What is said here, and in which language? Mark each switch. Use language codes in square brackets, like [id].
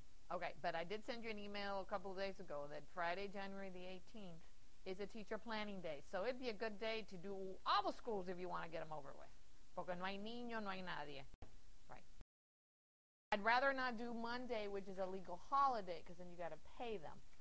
[en] Okay, but I did send you an email a couple of days ago that Friday, January the 18th is a teacher planning day. So it'd be a good day to do all the schools if you want to get them over with. [es] Porque no hay niño, no hay nadie. [en] Right. I'd rather not do Monday, which is a legal holiday, because then you got to pay them.